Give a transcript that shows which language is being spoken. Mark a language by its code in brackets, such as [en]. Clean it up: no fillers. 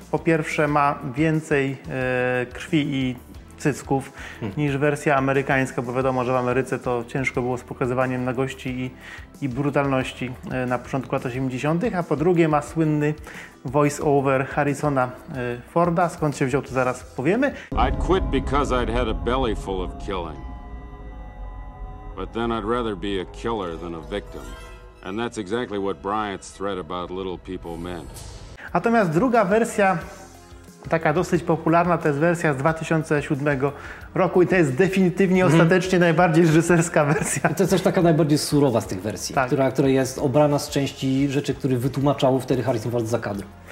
[pl] Po pierwsze ma więcej krwi i cycków niż wersja amerykańska, bo wiadomo, że w Ameryce to ciężko było z pokazywaniem nagości i brutalności na początku lat 80. A po drugie ma słynny voice-over Harrisona Forda. Skąd się wziął, to zaraz powiemy. [en] I'd quit because I'd had a belly full of killing. But then I'd rather be a killer than a victim. And that's exactly what Bryant's threat about little people meant. [pl] Natomiast druga wersja, taka dosyć popularna, to jest wersja z 2007 roku i to jest definitywnie, ostatecznie najbardziej reżyserska wersja. To jest też taka najbardziej surowa z tych wersji, tak. która jest obrana z części rzeczy, które wytłumaczał wtedy Harrison Ford za kadr.